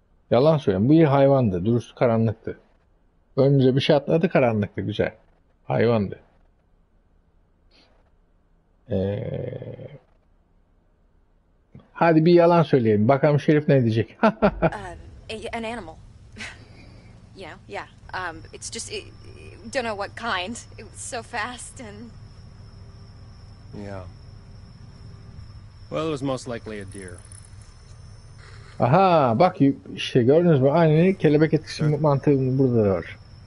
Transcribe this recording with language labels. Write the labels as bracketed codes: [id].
[tr] Yalan söylüyorum. Bu bir hayvandı. Dürüst, karanlıktı. Önümüze bir şey atladı, karanlıktı. Güzel. Hayvandı. Hadi bir yalan söyleyelim. Bakalım Şerif ne diyecek. [en] An animal. you know? Yeah. It's just, don't know what kind. It was so fast and... Yeah. Well, it was most likely a deer. [tr] Aha, bak işte gördünüz mü? Aynı kelebek etkisi mantığı burada da var.